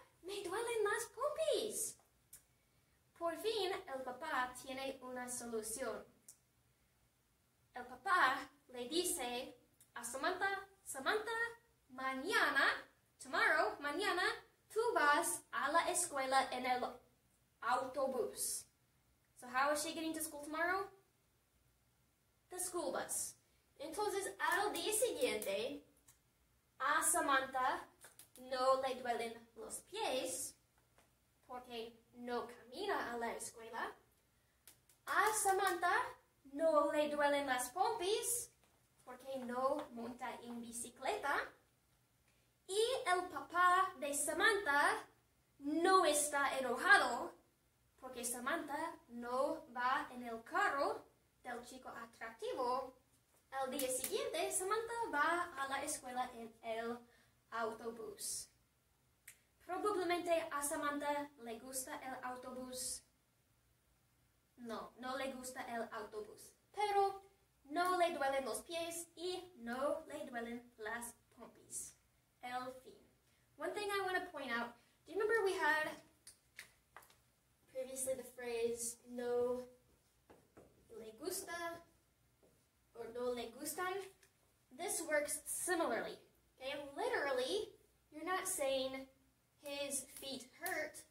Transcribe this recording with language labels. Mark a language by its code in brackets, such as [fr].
[es] Me duelen las pompis. Por fin, el papá tiene una solución. El papá le dice a Samantha, Samantha, mañana, tú vas a la escuela en el autobús. [en] So how is she getting to school tomorrow? The school bus. [es] Entonces, al día siguiente, a Samantha no le duelen los pies, porque no camina a la escuela. A Samantha no le duelen las pompis, porque no monta en bicicleta. Y el papá de Samantha no está enojado, porque Samantha no va en el carro del chico atractivo. Al día siguiente, Samantha va a la escuela en el autobús. Probablemente a Samantha le gusta el autobús. No le gusta el autobús. Pero no le duelen los pies y no le duelen las pompis. El fin. [en] One thing I want to point out. Do you remember we had previously the phrase [es] no le gusta [en] or [es] no le gustan? [en] This works similarly. Okay, literally, you're not saying his feet hurt.